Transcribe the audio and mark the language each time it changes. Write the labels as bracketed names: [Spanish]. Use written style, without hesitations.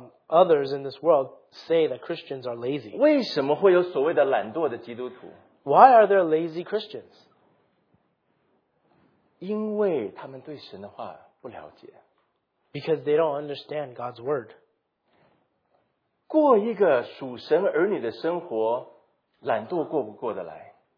[English] Others in this world say that Christians are lazy. [Chinese] 为什么会有所谓的懒惰的基督徒? [English] Why are there lazy Christians? [Chinese] 因为他们对神的话不了解。 [English] Because they don't understand God's word. [Chinese] 过一个属神儿女的生活, 懒惰过不过得来?